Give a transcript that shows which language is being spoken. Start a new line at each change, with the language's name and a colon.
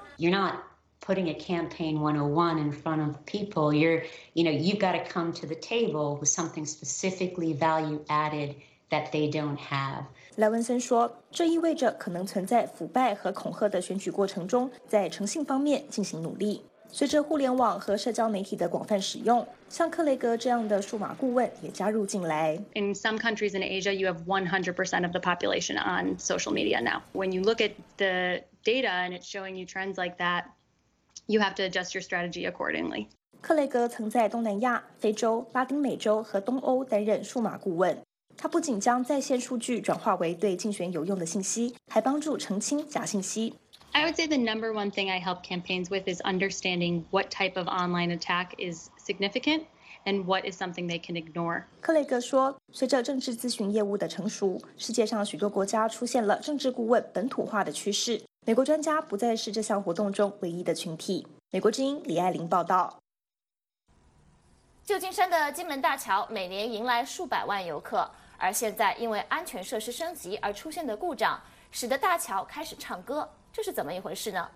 English: You're not putting a campaign 101 in front of people. You've got to come to the table with something specifically value added. That they don't have.
Chinese: 莱文森说，这意味着可能存在腐败和恐吓的选举过程中，在诚信方面进行努力。随着互联网和社交媒体的广泛使用，像克雷格这样的数码顾问也加入进来。
English: In some countries in Asia, you have 100% of the population on social media now. When you look at the data and it's showing you trends like that, you have to adjust your strategy accordingly.
Chinese: 克雷格曾在东南亚、非洲、拉丁美洲和东欧担任数码顾问。他不仅将在线数据转化为对竞选有用的信息，还帮助澄清假信息。
English: I would say the number one thing I help campaigns with is understanding what type of online attack is significant and what is something they can ignore.
Chinese: 克雷格说，随着政治咨询业务的成熟，世界上许多国家出现了政治顾问本土化的趋势。美国专家不再是这项活动中唯一的群体。美国之音李爱玲报道。旧金山的金门大桥每年迎来数百万游客，而现在因为安全设施升级而出现的故障，使得大桥开始唱歌，这是怎么一回事呢？